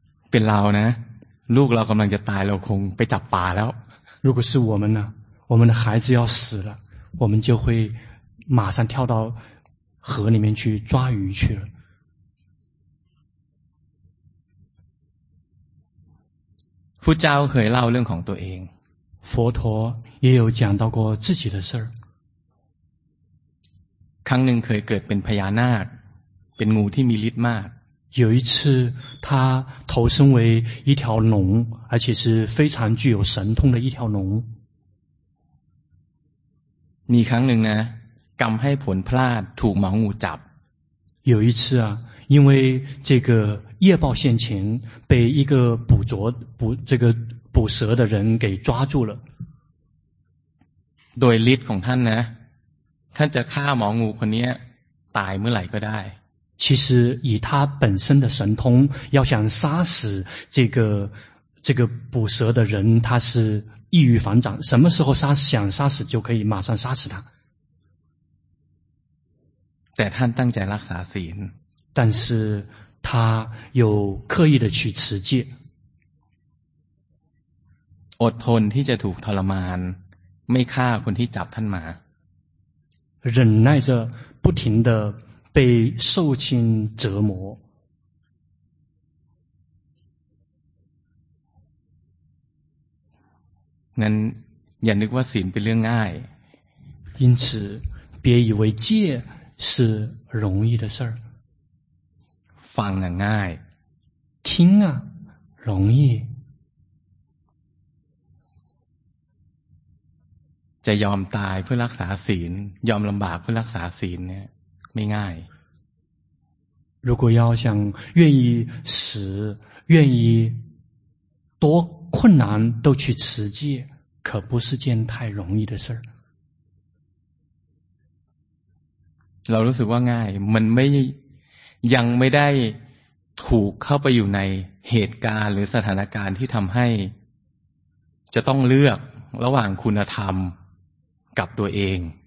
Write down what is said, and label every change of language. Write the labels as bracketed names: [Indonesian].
[Thai] เป็นเรานะลูกเรากำลังจะตายเราคงไปจับปลาแล้ว [Chinese] 如果是我们呢我们的孩子要死了我们就会马上跳到河里面去抓鱼去了 [Thai] พุทธเจ้าเคยเล่าเรื่องของตัวเอง [Chinese] 佛陀也有讲到过自己的事儿 [Thai] ครั้งหนึ่งเคยเกิดเป็นพญานาคเป็นงูที่มีฤทธิ์มาก [Chinese] 有一次他投身为一条龙而且是非常具有神通的一条龙 [Thai] มีครั้งหนึ่งนะกรรมให้ผลพลาดถูกหมองูจับ [Chinese] 有一次啊因为这个业报现前被一个捕蛇的人给抓住了 [Thai] โดยฤทธิ์ของท่านนะท่านจะฆ่าหมองูคนนี้ตายเมื่อไหร่ก็ได้ [Chinese] 其实以他本身的神通要想杀死这个捕蛇的人他是易于反掌什么时候想杀死就可以马上杀死他 [Thai] แต่ท่านตั้งใจรักษาศีล [Chinese] 但是他有刻意的去持戒 [Thai] อดทนที่จะถูกทรมานไม่ฆ่าคนที่จับท่านมา [Chinese] 忍耐着不停的被受尽折磨 [Thai] งั้นอย่านึกว่าศีลเป็นเรื่องง่าย [Chinese] 因此别以为戒是容易的事儿 [Thai] ฟังง่าย [Chinese] 听啊容易 [Thai] จะยอมตายเพื่อรักษาศีลยอมลำบากเพื่อรักษาศีลเนี่ยไม่ง่าย [Chinese] 如果要想愿意死愿意多困难都去持戒可不是件太容易的事儿 [Thai] เรารู้สึกว่าง่ายมันไม่ยังไม่ได้ถูกเข้าไปอยู่ในเหตุการณ์หรือสถานการณ์ที่ทำให้จะต้องเลือกระหว่างคุณธรรมกับตัวเอง